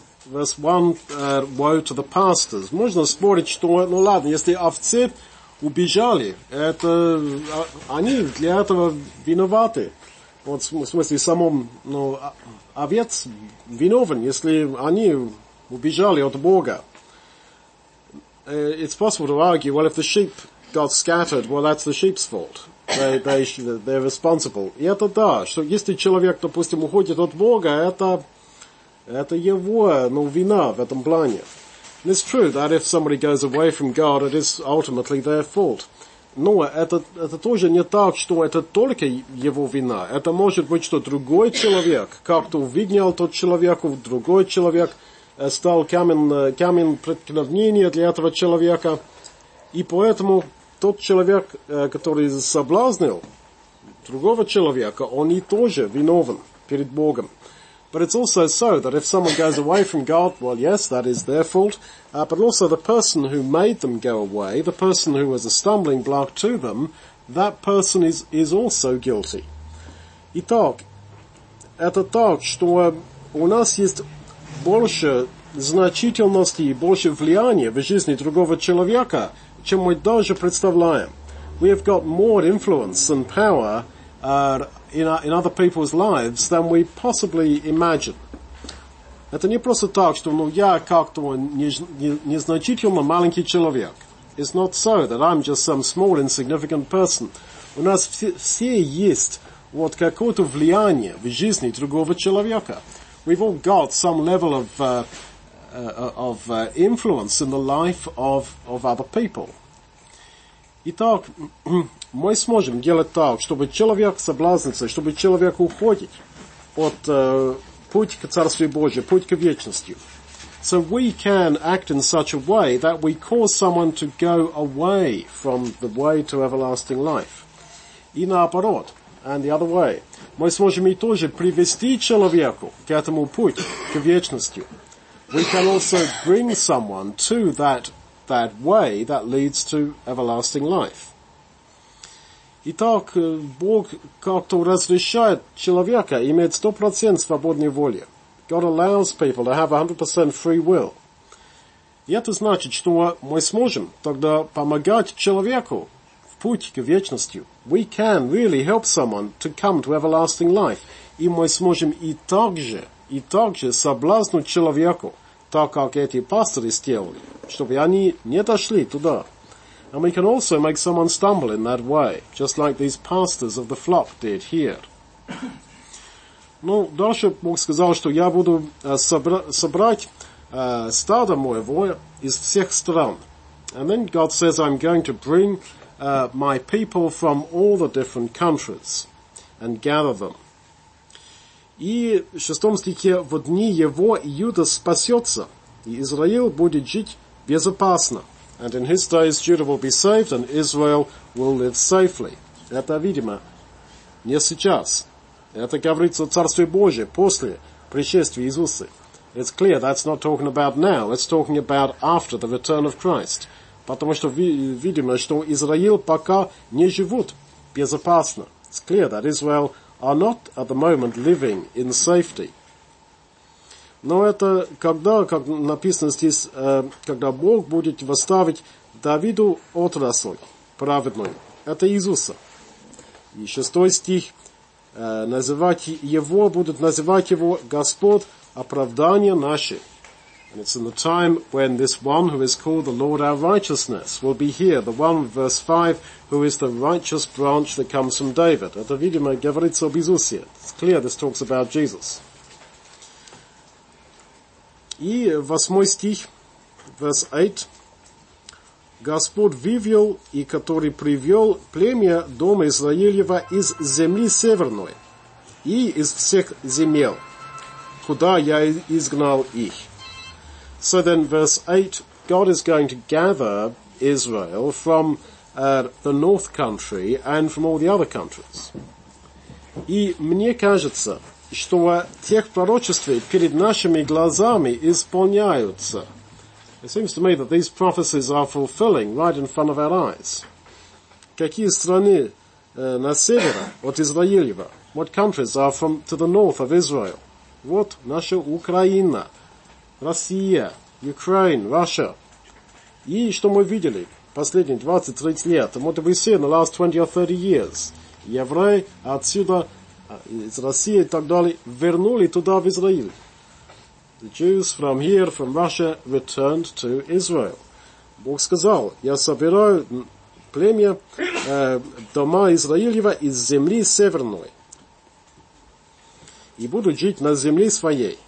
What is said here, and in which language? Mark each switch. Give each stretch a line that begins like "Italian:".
English: Verse 1, «Woe to the pastors».
Russian: Можно спорить, что, ну ладно, если овцы убежали, это они для этого виноваты. Вот в смысле самом, ну, овец виновен, если они убежали от Бога.
English: It's possible to argue, well, if the sheep got scattered, well, that's the sheep's fault. They're responsible.
Russian: И это да, что если человек, допустим, уходит от Бога, это его, ну, вина в этом плане.
English: And it's true that if somebody goes away from God, it is ultimately their fault.
Russian: Но это тоже не так, что это только его вина. Это может быть, что другой человек как-то увиднял тот человек, другой человек стал камень преткновения для этого человека. И поэтому тот человек, который соблазнил другого человека, он и тоже виновен перед Богом.
English: But it's also so that if someone goes away from God, well, yes, that is their fault. But also the person who made them go away, the person who was a stumbling block to them, that person is also guilty.
Russian: Итак, это так, что у нас есть больше значительности и больше влияния в жизни другого человека, чем мы даже представляем.
English: We have got more influence and power in other people's lives than we possibly imagine.
Russian: Это не просто так, что, ну, я как-то незначительно маленький человек.
English: It's not so that I'm just some small, insignificant person.
Russian: У нас все есть вот какое-то влияние в жизни другого человека.
English: We've all got some level of influence in the life of other people.
Russian: Итак, мы сможем делать так, чтобы человек соблазнится, чтобы человек уходит от пути к Царствию Божию, пути к вечности.
English: So we can act in such a way that we cause someone to go away from the way to everlasting life.
Russian: И наоборот,
English: and the other way.
Russian: Мы сможем и тоже привести человеку к этому пути, к вечности.
English: We can also bring someone to that way that leads to everlasting life.
Russian: Итак, Бог как-то разрешает человека иметь 100% свободной воли.
English: God allows people to have 100% free will.
Russian: И это значит, что мы сможем тогда помогать человеку в путь к вечности.
English: We can really help someone to come to everlasting life.
Russian: И мы сможем и также соблазнуть человеку, так как эти пастыри сделали, чтобы они не дошли туда.
English: And we can also make someone stumble in that way, just like these pastors of the flock did here.
Russian: Ну, дальше Бог сказал, что я буду собрать стадо моего из всех стран.
English: And then God says, I'm going to bring my people from all the different countries and gather them.
Russian: И в шестом стихе, в дни его Иуда спасется, и Израил будет жить безопасно.
English: And in his days Judah will be saved and Israel will live safely.
Russian: Это, видимо, не сейчас. Это говорится о Царстве Божьем после пришествия Иисуса.
English: It's clear that's not talking about now. It's talking about after the return of Christ.
Russian: Потому что видимо, что Израил пока не живут безопасно.
English: It's clear that Israel are not at the moment living in safety.
Russian: Но это когда, как написано здесь, когда Бог будет восставить Давиду отрасль праведную. Это Иисуса. И шестой стих. Будут называть его Господь оправдание наше.
English: And it's in the time when this one who is called the Lord our righteousness will be here. The one, verse 5, who is the righteous branch that comes from David.
Russian: Это, видимо, говорится об Иисусе.
English: It's clear this talks about Jesus.
Russian: И восьмой стих,
English: verse 8,
Russian: Господь вывел, и который привел племя дома Израилева из земли северной и из всех земель, куда я изгнал их.
English: So then, verse 8, God is going to gather Israel from the north country and from all the other countries.
Russian: И мне кажется, что тех пророчеств перед нашими глазами исполняются.
English: It seems to me that these prophecies are fulfilling right in front of our eyes.
Russian: Какие страны На севере, от Израилева,
English: what countries are from to the north of Israel?
Russian: Вот наша Украина, Россия,
English: Ukraine, Russia.
Russian: И что мы видели последние 20-30 лет?
English: What have we seen in the last 20 or 30 years?
Russian: Евреи отсюда, из России и так далее, вернули туда, в Израиль.
English: The Jews from here, from Russia, returned to Israel.
Russian: Бог сказал, я собираю племя, дома Израилева из земли северной. И буду жить на земле своей.